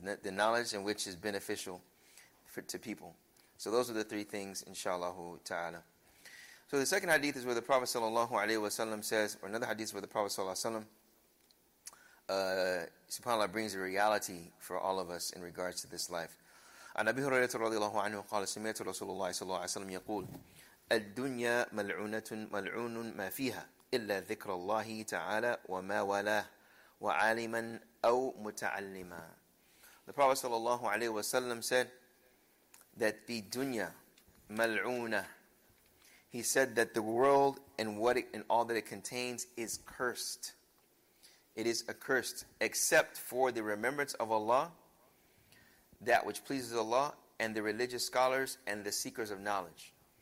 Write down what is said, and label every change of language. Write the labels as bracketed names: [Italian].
[English] The knowledge in which is beneficial to people. So those are the three things, inshallah ta'ala. So the second hadith is where the Prophet sallallahu alayhi wa sallam says, or another hadith where the Prophet sallallahu alayhi wa sallam subhanAllah brings a reality for all of us in regards to this life. [Arabic] عن أبي هريرة رضي الله عنه قال سمعت رسول الله صلى الله عليه وسلم يقول الدنيا ملعونة ملعون ما فيها إلا ذكر الله تعالى وما ولاه وعالما أو متعلما. [English] The Prophet [Arabic] صلى الله عليه وسلم [English] said that the dunya ملعونة. He said that the world and what it, and all that it contains is cursed. It is accursed, except for the remembrance of Allah, that which pleases Allah, and the religious scholars and the seekers of knowledge.